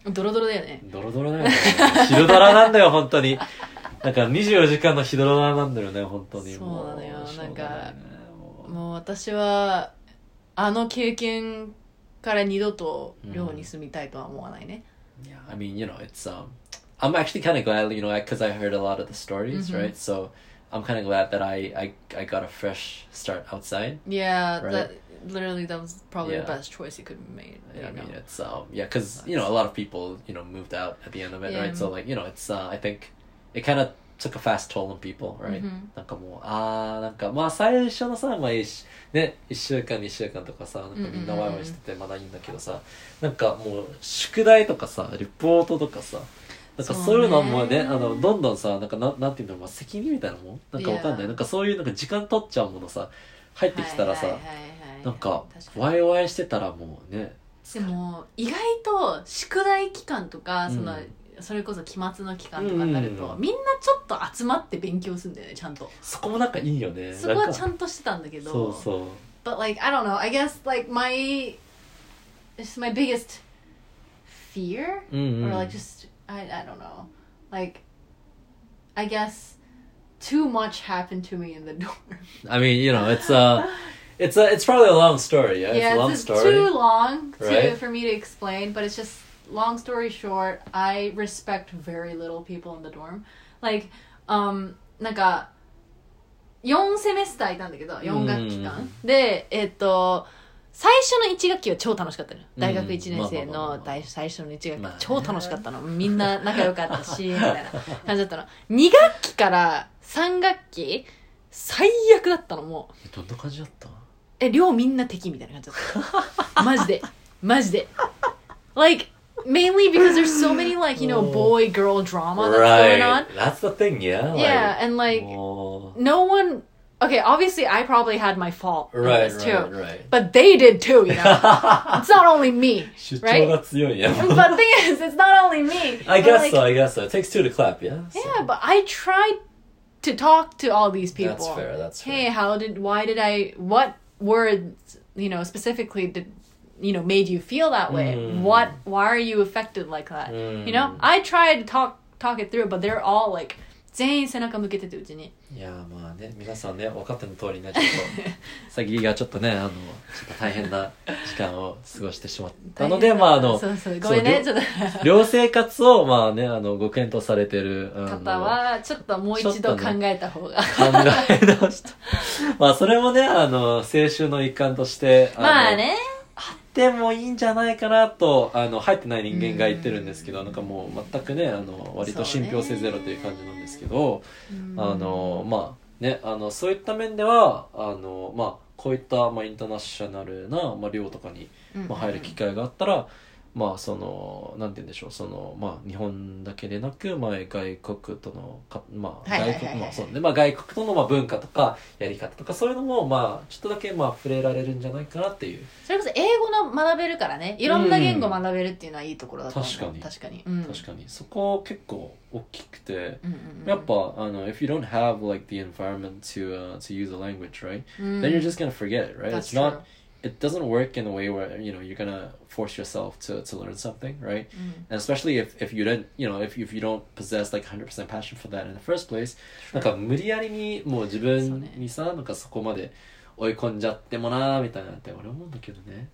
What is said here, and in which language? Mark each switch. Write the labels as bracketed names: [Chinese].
[Japanese] ドロドロだよね。ドロドロだよね。ヒドドラなんだよ、本当に。なんか24時間のヒドドラなんだよね、本当に。そうなのよ、なんか、もう私は、あの経験から二度と寮に住みたいとは思わないね。 [English] Yeah, I mean, you know, it's, I'm actually kind of glad, you know, because I heard a lot of the stories, right? So, I'm kind of glad that I got a fresh start outside. Yeah, right? Literally that was probably the best choice you could make. Yeah, it's yeah, because you know a lot of people you know moved out at the end of it, right? So like you know it's I think it kind of took a fast toll on people, right? [Japanese] なんかもう最初のさ、まあ一週間二週間とかさ、みんなワイワイしててまだいいんだけどさ、なんかもう宿題とかさ、レポートとかさ。なんかそういうのもね、あの、どんどんさ、なんか、なんていうの、まあ、責任みたいなもんなんかわかんない。なんかそういう、なんか時間取っちゃうものさ、入ってきたらさ、なんか、ワイワイしてたらもうね。でも、意外と、宿題期間とか、その、うん、それこそ期末の期間とかになると、うん、みんなちょっと集まって勉強するんだよね、ちゃんと。そこもなんかいいよね。そこはちゃんとしてたんだけど。そうそう。 [English] But like, I don't know, I guess like my, it's my biggest fear? Or like just,I don't know. Like, I guess too much happened to me in the dorm. I mean, you know, it's probably a long story. Yeah, yeah, it's a long story. Too long for me to explain, but it's just long story short, I respect very little people in the dorm. Like, [Japanese] なんか4セメスターいたんだけど、4学期間。で、最初の1学期は超楽しかったの。大学1年生の最初の1学期、超楽しかったの。みんな仲良かったし、みたいな感じだったの。2学期から3学期、最悪だったの、もう。どんな感じだった？寮みんな敵みたいな感じだった。マジで。マジで。 [English] Like, mainly because there's so many, like, you know, boy-girl drama that's going on. That's the thing, yeah. Yeah, and like, no one... Okay, obviously, I probably had my fault in right, this too. Right, right. But they did too, you know? It's not only me, right? [Japanese] 主張が強いやん。 [English] But the thing is, it's not only me. I guess like, so, I guess so. It takes two to clap, yeah? Yeah, so. But I tried to talk to all these people. That's fair, that's fair. Hey, how did, why did I, what words, you know, specifically did, you know, made you feel that way? What, why are you affected like that? You know, I tried to talk it through, but they're all like, [Japanese] 全員背中向けててうちに。いやまあね、皆さんね、分かっての通りね、ちょっと、さぎがちょっとね、ちょっと大変な時間を過ごしてしまったので、まあそうごめんね、ちょっと。寮生活を、まあね、ご検討されてる方は、ちょっともう一度考えた方が。ね、考え直した。まあそれもね、青春の一環として。まあね。でもいいんじゃないかなと入ってない人間が言ってるんですけど、なんかもう全くね割と信憑性ゼロという感じなんですけど、まあね、そういった面ではまあこういった、まあ、インターナショナルな、まあ、寮とかに、まあ、入る機会があったら、まあそのなんて言うんでしょう、そのまあ日本だけでなく、まあ、外国とのか、まあ、外国、まあそうね、まあ外国との、まあ、文化とかやり方とかそういうのもまあちょっとだけ、まあ、触れられるんじゃないかなっていう。それこそ英語の学べるからね、いろんな言語学べるっていうのはいいところだと思う。確かに、うん、確かにそこ結構大きくて、うんうんうん、やっぱ [English] if you don't have like the environment to use a language right、then you're just gonna forget it right、 That's、it's、true. notIt doesn't work in a way where, you know, you're gonna force yourself to learn something, right? Mm. And especially if you didn't, you know, if you don't possess like 100% passion for that in the first place, [Japanese] なんか無理やりにもう自分にさ、なんかそこまで追い込んじゃってもなーみたいなって俺思うんだけどね。